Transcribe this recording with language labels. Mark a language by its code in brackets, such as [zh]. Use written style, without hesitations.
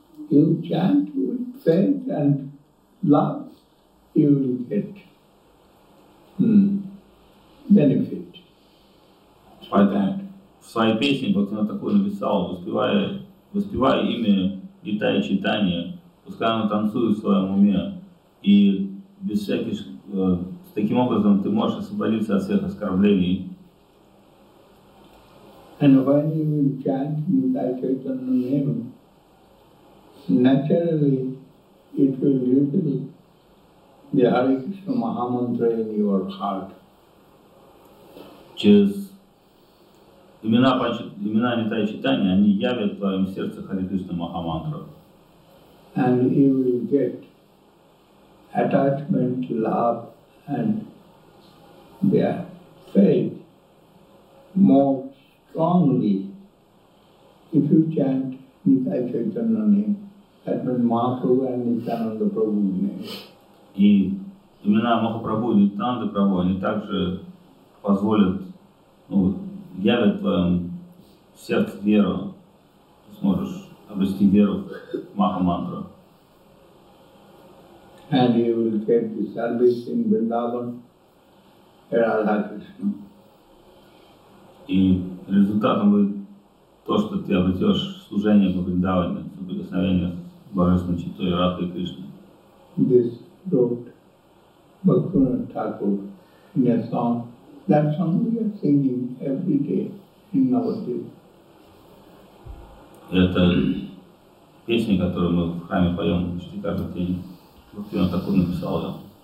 [en] You chant with faith and love, you will get benefit. For that. [ru] В своей песне Бхактивинода Тхакур написал, воспевая имя Нитая Чайтанья, пускай она танцует в своем уме, и без всяких, таким образом ты можешь освободиться от всех оскорблений. [en] And when you will chant Nitya Chaitanya name, naturally it will reveal the Hare Krishna Mahamantra in your heart. [ru] Через имена Нитая Чайтанья, они явят в твоем сердце Харе Кришна Махамантру. [en] and he will get attachment, love, and their faith more strongly. If you chant Nitya Chaitanya name, that means Mahaprabhu and Nityananda Prabhu name. [ru] И имена Махапрабху и Нитянанда Прабху, они также позволят, ну, явят в твоем сердце веру, ты сможешь обрести веру в Маха-мантру. [en] And you will get the service in Vrindavan, Radha Krishna. [ru] И результатом будет то, что ты обретешь служение по Вриндаване, соприкосновение с Божественной Читой Радхой Кришной. [en] This wrote Bhaktivinoda Thakur in a song. That song we are singing every day in our day. [ru] Это песня, которую мы в храме поем почти каждый день. Бхактивинода Такур написал ее.